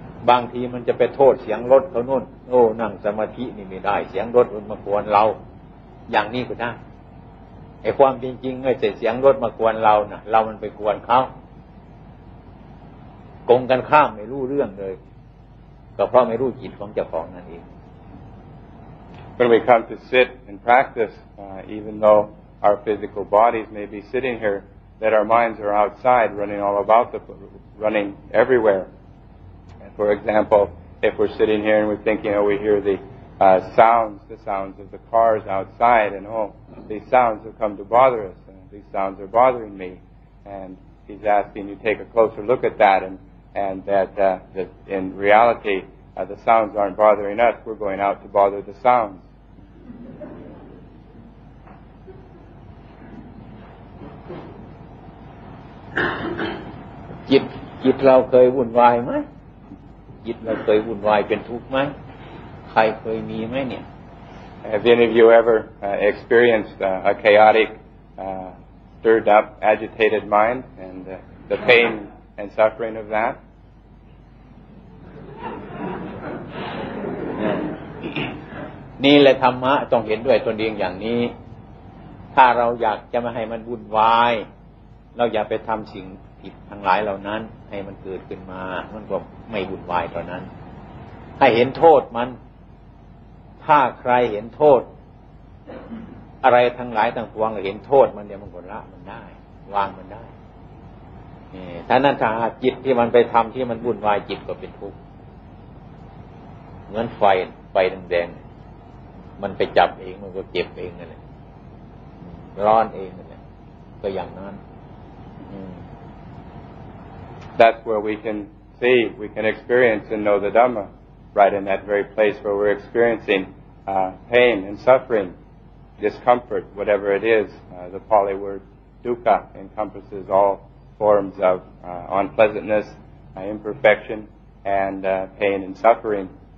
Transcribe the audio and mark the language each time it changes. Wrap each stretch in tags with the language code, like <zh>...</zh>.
<th>บางทีมันจะไปโทษเสียงรถเขาโน่นโอ้นั่งสมาธินี่ไม่ได้เสียงรถมันมากวนเราอย่างนี้ก็นะไอ้ความจริงๆไอ้เสียงรถมากวนเราน่ะเรามันไปกวนเขาโกงกันข้ามไม่รู้เรื่องเลยก็เพราะไม่รู้จิตของเจ้าของนั่นเอง</th> <en>When we come to sit and practice even though our physical bodies may be sitting here that our minds are outside running everywhereFor example, if we're sitting here and we're thinking, oh, we hear the sounds of the cars outside, and oh, these sounds have come to bother us, and these sounds are bothering me. And he's asking you to take a closer look at that, and that in reality, the sounds aren't bothering us, we're going out to bother the sounds.</en> <th>Jit lao kei wun wai mai? จิตเราเคยวุ่นวายเป็นทุกข์มั้ยใครเคยมีมั้ยเนี่ย</th> <en>Have any of you ever experienced a chaotic stirred up agitated mind and the pain and suffering of that</en> <th>นี่แหละธรรมะต้องเห็นด้วยตนเองอย่างนี้้าเราอยากจะไม่ให้มันวุ่นวายเราอย่าไปทำสิ่งผิดทั้งหลายเหล่านั้นให้มันเกิดขึ้นมามันก็ไม่วุ่นวายเท่านั้นให้เห็นโทษมันถ้าใครเห็นโทษอะไรทั้งหลายทั้งปวงเห็นโทษมันเดี๋ยวมันก็ละมันได้วางมันได้ ถ้านั้นถ้าจิตที่มันไปทำที่มันวุ่นวายจิตก็เป็นทุกข์เหมือนไฟแดงมันไปจับเองมันก็เจ็บเองนั่นแหละร้อนเองนั่นแหละก็อย่างนั้น</th> <en>That's where we can see, we can experience and know the Dhamma, right in that very place where we're experiencing pain and suffering, discomfort, whatever it is. The Pali word dukkha encompasses all forms of unpleasantness, imperfection, and pain and suffering.</en>